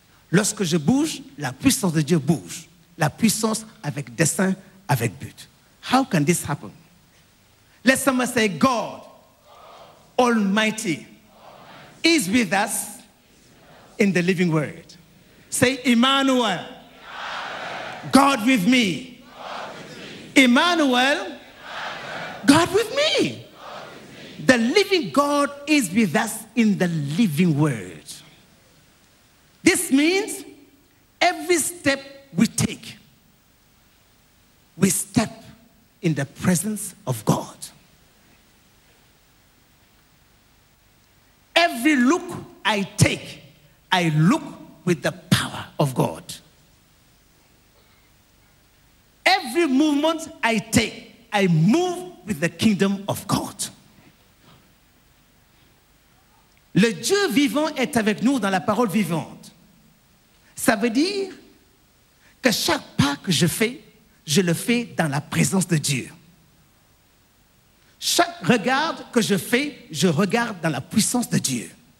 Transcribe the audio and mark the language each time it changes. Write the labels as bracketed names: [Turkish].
[French] Lorsque je bouge, la puissance de Dieu bouge. La puissance avec dessein, avec but. [English] How can this happen? Let someone say, God Almighty is with us in the living word. Say, Emmanuel, God with me. Emmanuel, God with me. The living God is with us in the living word. This means every step we take, we step in the presence of God. Every look I take, I look with the power of God. Every movement I take, I move with the kingdom of God. [French] Le Dieu vivant est avec nous dans la parole vivante. Ça veut dire que chaque pas que je le fais dans la présence de Dieu. Chaque regard que je regarde dans la puissance de Dieu.